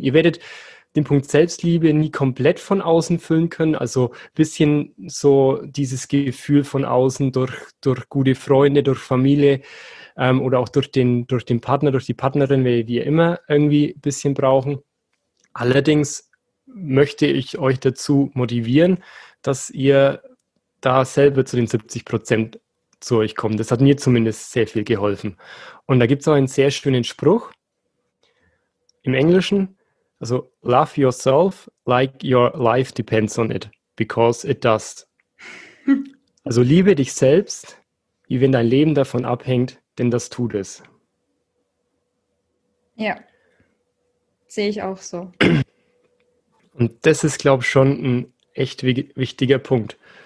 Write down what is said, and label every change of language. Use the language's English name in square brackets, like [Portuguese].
[German] Ihr werdet den Punkt Selbstliebe nie komplett von außen füllen können, also ein bisschen so dieses Gefühl von außen durch gute Freunde, durch Familie oder auch durch den Partner, durch die Partnerin, wie wir immer irgendwie ein bisschen brauchen. Allerdings möchte ich euch dazu motivieren, dass ihr da selber zu den 70% zu euch kommt. Das hat mir zumindest sehr viel geholfen. Und da gibt es auch einen sehr schönen Spruch im Englischen. [English] Also, love yourself like your life depends on it, because it does. [German] Also, liebe dich selbst, wie wenn dein Leben davon abhängt, denn das tut es. Ja, sehe ich auch so. Und das ist, glaube ich, schon ein echt wichtiger Punkt.